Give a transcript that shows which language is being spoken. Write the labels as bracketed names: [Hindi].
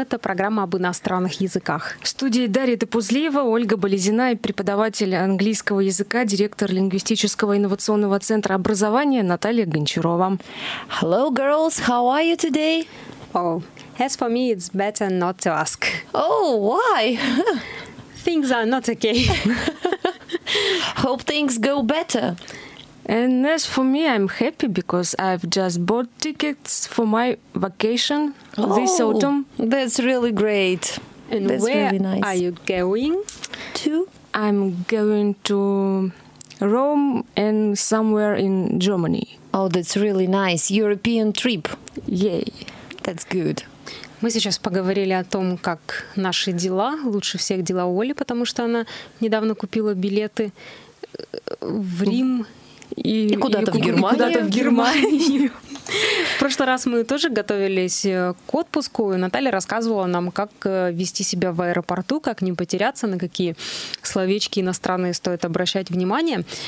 [Russian] Это программа об иностранных языках. В студии Дарья Топузлиева, Ольга Болезина, преподаватель английского языка, директор лингвистического инновационного центра образования Наталья Гончарова. [English] Hello, girls. How are you today? Oh, as for me, it's better not to ask. Oh, why? Things are not okay. Hope things go better. And as for me, I'm happy because I've just bought tickets for my vacation this autumn. That's really great. And that's where really nice. Are you going to? I'm going to Rome and somewhere in Germany. Oh, that's really nice. European trip. Yay. That's good. [Russian] Мы сейчас поговорили о том, как наши дела, лучше всех дела Оли, потому что она недавно купила билеты в Рим. И куда-то в Германию. Куда-то в Германию. В прошлый раз мы тоже готовились к отпуску, и Наталья рассказывала нам, как вести себя в аэропорту, как не потеряться, на какие словечки иностранные стоит обращать внимание.